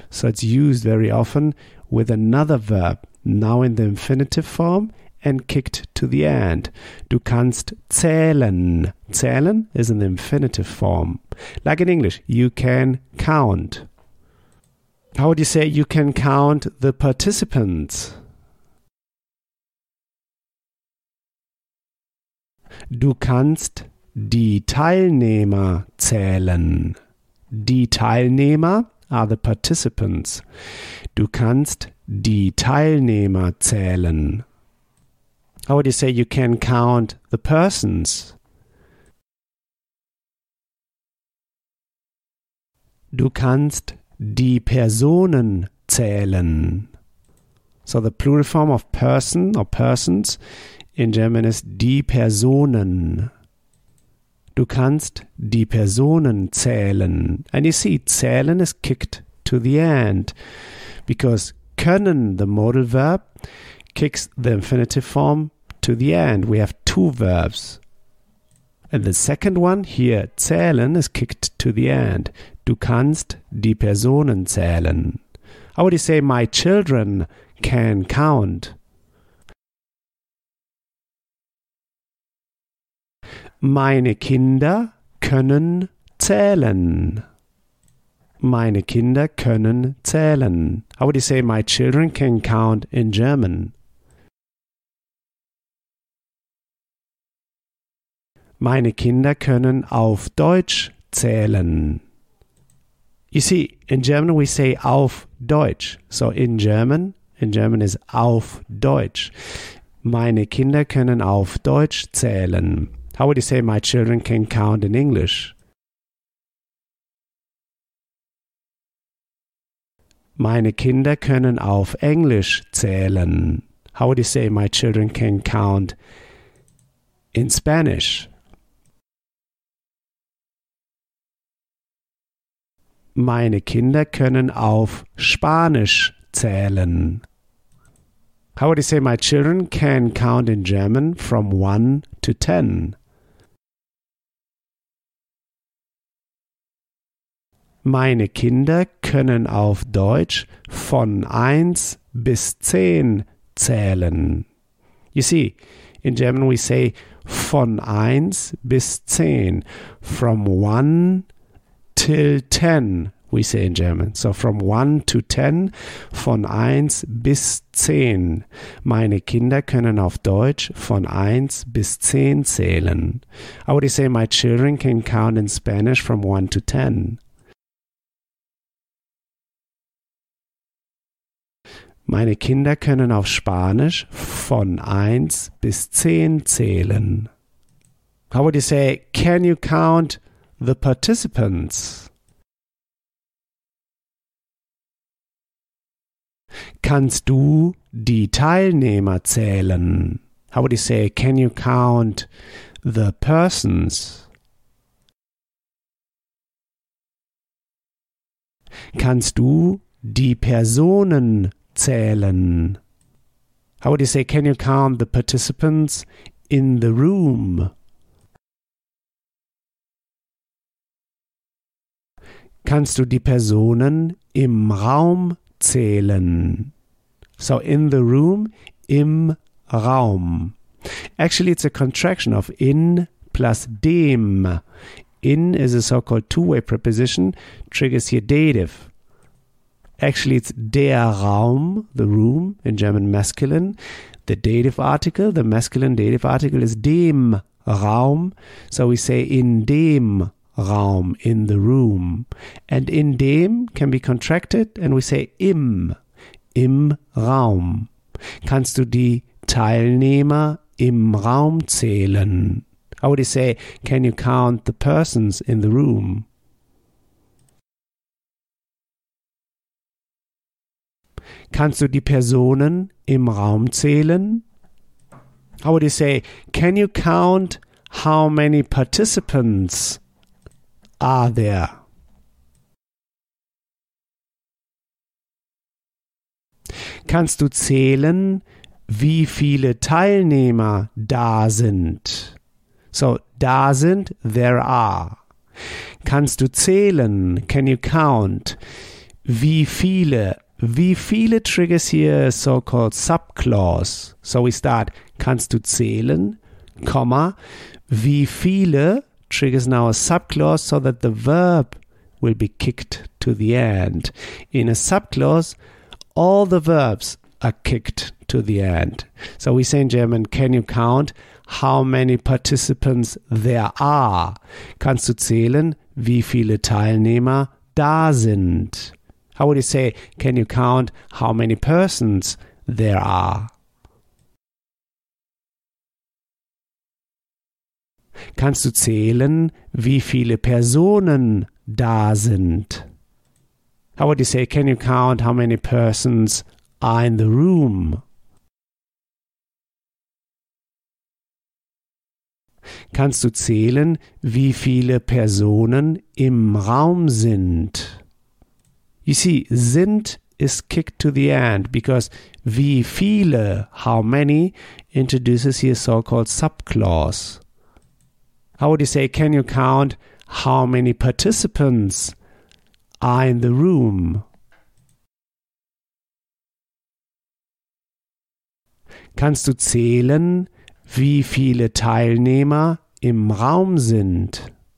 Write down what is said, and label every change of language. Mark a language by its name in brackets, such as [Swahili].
[English] So it's used very often with another verb, now in the infinitive form and kicked to the end. [German] Du kannst zählen. [English] Zählen is in the infinitive form. Like in English, you can count. How would you say you can count the participants? [German] Du kannst die Teilnehmer zählen. Die Teilnehmer [English] are the participants. [German] Du kannst die Teilnehmer zählen. [English] How would you say you can count the persons? [German] Du kannst die Personen zählen. [English] So the plural form of person or persons in German is die Personen. [German] Du kannst die Personen zählen. [English] And you see, zählen is kicked to the end because können, the modal verb, kicks the infinitive form to the end. We have two verbs. And the second one here, zählen, is kicked to the end. [German] Du kannst die Personen zählen. [English] How would you say my children can count? [German] Meine Kinder können zählen. Meine Kinder können zählen. [English] How would you say my children can count in German? [German] Meine Kinder können auf Deutsch zählen. [English] You see, in German we say auf Deutsch. So in German is auf Deutsch. [German] Meine Kinder können auf Deutsch zählen. [English] How would you say my children can count in English? [German] Meine Kinder können auf Englisch zählen. [English] How would you say my children can count in Spanish? [German] Meine Kinder können auf Spanisch zählen. [English] How would you say my children can count in German from 1 to 10? [German] Meine Kinder können auf Deutsch von 1 bis 10 zählen. [English] You see, in German we say von 1 bis 10. From 1 till 10, we say in German. So from 1 to 10, von 1 bis 10. [German] Meine Kinder können auf Deutsch von 1 bis 10 zählen. [English] How would you say my children can count in Spanish from 1 to 10? [German] Meine Kinder können auf Spanisch von 1 bis 10 zählen. [English] How would you say, can you count the participants? [German] Kannst du die Teilnehmer zählen? [English] How would you say, can you count the persons? [German] Kannst du die Personen zählen? [English] Zählen. How would you say, can you count the participants in the room. [German] Kannst du die Personen im Raum zählen? [English] So, in the room, im Raum. Actually, it's a contraction of in plus dem. In is a so-called two-way preposition, triggers here dative. Actually, it's der Raum, the room, in German masculine. The dative article, the masculine dative article, is dem Raum. So we say in dem Raum, in the room. And in dem can be contracted and we say im, im Raum. [German] Kannst du die Teilnehmer im Raum zählen? [English] How would you say, can you count the persons in the room? [German] Kannst du die Personen im Raum zählen? [English] How would you say, can you count how many participants are there? [German] Kannst du zählen, wie viele Teilnehmer da sind? So, da sind, [English] there are. [German] Kannst du zählen, [English] can you count, [German] wie viele? [English] Wie viele triggers here so-called subclause. So we start, [German] kannst du zählen, [English] comma, wie viele triggers now a subclause so that the verb will be kicked to the end. In a subclause, all the verbs are kicked to the end. So we say in German, can you count how many participants there are? [German] Kannst du zählen, wie viele Teilnehmer da sind? [English] How would you say, can you count how many persons there are? [German] Kannst du zählen, wie viele Personen da sind? [English] How would you say, can you count how many persons are in the room? [German] Kannst du zählen, wie viele Personen im Raum sind? [English] You see, sind is kicked to the end because wie viele, how many, introduces here a so-called subclause. How would you say, can you count how many participants are in the room? [German] Kannst du zählen, wie viele Teilnehmer im Raum sind?